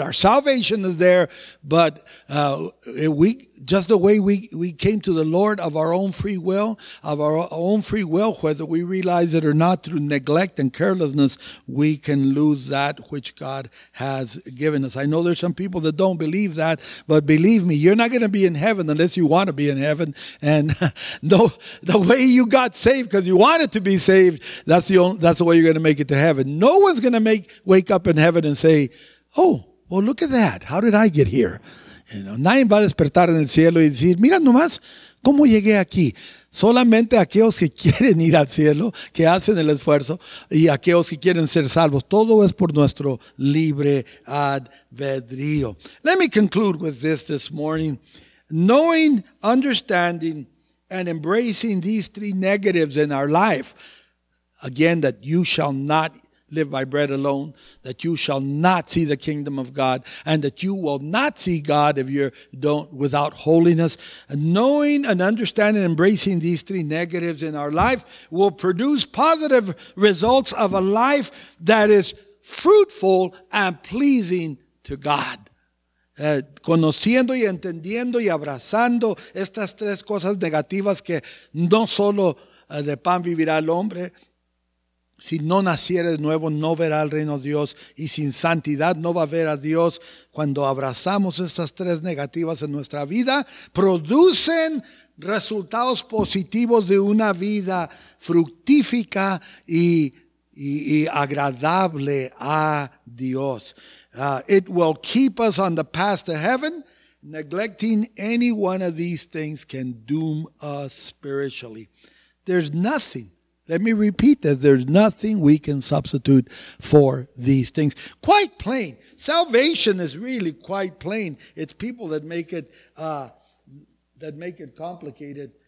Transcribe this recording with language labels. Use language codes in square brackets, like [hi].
[en] Our salvation is there, but we came to the Lord of our own free will, whether we realize it or not, through neglect and carelessness, we can lose that which God has given us. I know there's some people that don't believe that, but believe me, you're not going to be in heaven unless you want to be in heaven. And the way you got saved because you wanted to be saved, that's the way you're going to make it to heaven. No one's going to wake up in heaven and say, oh, well, look at that. How did I get here? [es] Nadie va a despertar en el cielo y decir, mira nomás cómo llegué aquí. Solamente aquellos que quieren ir al cielo, que hacen el esfuerzo, y aquellos que quieren ser salvos. Todo es por nuestro libre albedrío. [en] Let me conclude with this morning. Knowing, understanding, and embracing these three negatives in our life. Again, that you shall not live by bread alone, that you shall not see the kingdom of God, and that you will not see God if you don't without holiness. And knowing and understanding and embracing these three negatives in our life will produce positive results of a life that is fruitful and pleasing to God. [es] Conociendo y entendiendo y abrazando estas tres cosas negativas que no solo de pan vivirá el hombre. Si no naciere de nuevo, no verá el reino de Dios. Y sin santidad, no va a ver a Dios. Cuando abrazamos estas tres negativas en nuestra vida, producen resultados positivos de una vida fructífica y agradable a Dios. [en] It will keep us on the path to heaven. Neglecting any one of these things can doom us spiritually. There's nothing. Let me repeat that there's nothing we can substitute for these things. Quite plain. Salvation is really quite plain. It's people that make it complicated.